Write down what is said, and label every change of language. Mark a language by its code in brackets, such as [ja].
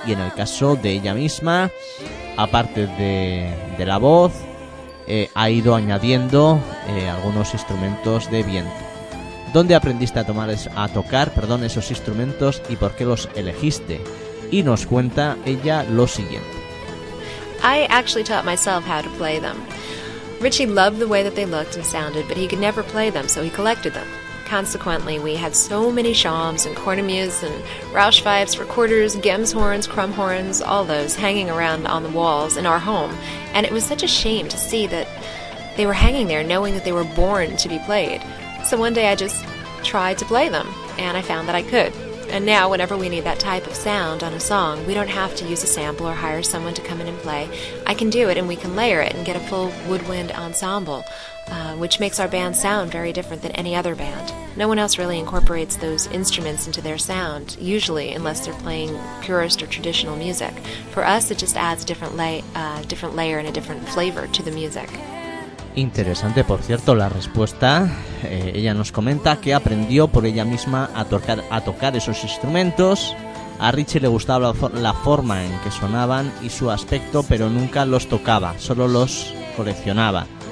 [es] Y en el caso de ella misma, aparte de la voz, ha ido añadiendo algunos instrumentos de viento. ¿Dónde aprendiste a tocar esos instrumentos y por qué los elegiste? Y nos cuenta ella lo siguiente. [en] I actually taught myself how to play them. Richie loved the way that they looked and sounded, but he could never play them, so he collected them. Consequently, we had so many shawms and cornemuse and Rausch fifes, recorders, gemshorns, crumhorns, all those, hanging around on the walls in our home, and it was such a shame to see that they were hanging there knowing that they were born to be played. So one day I just tried to play them, and I found that I could. And now, whenever we need that type of sound on a song, we don't have to use a sample or hire someone to come in and play. I can do it, and we can layer it and get a full woodwind ensemble, which makes our band sound very different than any other band. No one else really incorporates those instruments into their sound, usually, unless they're playing purist or traditional music. For us, it just adds a different layer and a different flavor to the music. [es] Interesante, por cierto, la respuesta. Ella nos comenta que aprendió por ella misma a tocar esos instrumentos. A Richie le gustaba la forma en que sonaban y su aspecto, pero nunca los tocaba, solo los coleccionaba.